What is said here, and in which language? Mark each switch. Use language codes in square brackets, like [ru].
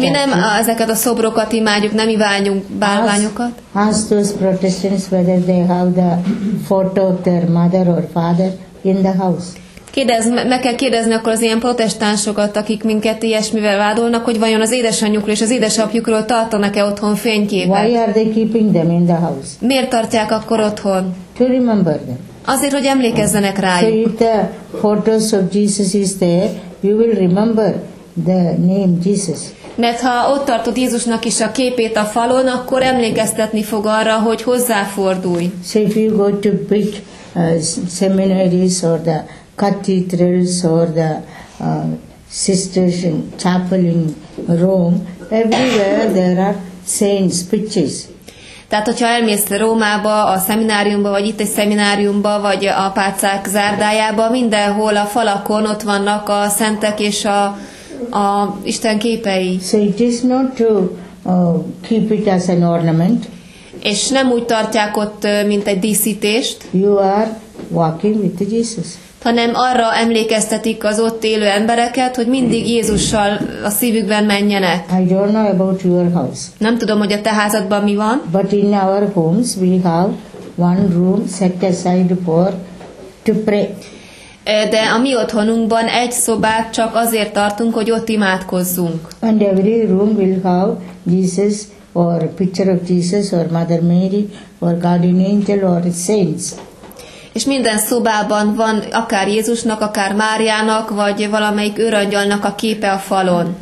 [hu] Mi nem ezeket a szobrokat imádjuk, nem imádjuk bálványokat. [en] Ask those Protestants whether they have the photo of their mother or father in the house. [hu] Meg kell kérdezni akkor az ilyen protestánsokat, akik minket ilyesmivel vádolnak, hogy vajon az édesanyjukról és az édesapjukról tartanak-e otthon fényképet. [en] Why are they keeping them in the house? [hu] Miért tartják akkor otthon? [en] To remember them. [hu] Azért, hogy emlékezzenek rájuk. [en] So if the photos of Jesus is there, you will remember the name Jesus. [hu] Mert ha ott tartod Jézusnak is a képét a falon, akkor emlékeztetni fog arra, hogy hozzáfordulj. [en] So if you go to big seminaries or the cathedrals or the sisters in chapel in Rome, everywhere there are saints' pictures. [hu] Tehát, hogyha elmész Rómába, a szemináriumba, vagy itt egy szemináriumba, vagy a pácák zárdájába, mindenhol a falakon ott vannak a szentek és a Isten képei. [en] So it is not to keep it as an ornament. [hu] És nem úgy tartják ott, mint egy díszítést. [en] You are walking with Jesus. [hu] Hanem arra emlékeztetik az ott élő embereket, hogy mindig Jézussal a szívükben menjenek. [en] I don't know about your house. [hu] Nem tudom, hogy a te házadban mi van. [en] But in our homes we have one room set aside for to pray. [hu] De a mi otthonunkban egy szobát csak azért tartunk, hogy ott imádkozzunk. [en] And every room will have Jesus or picture of Jesus or Mother Mary or guardian angel or saints. [hu] És minden szobában van akár Jézusnak, akár Máriának, vagy valamelyik őrangyalnak a képe a falon.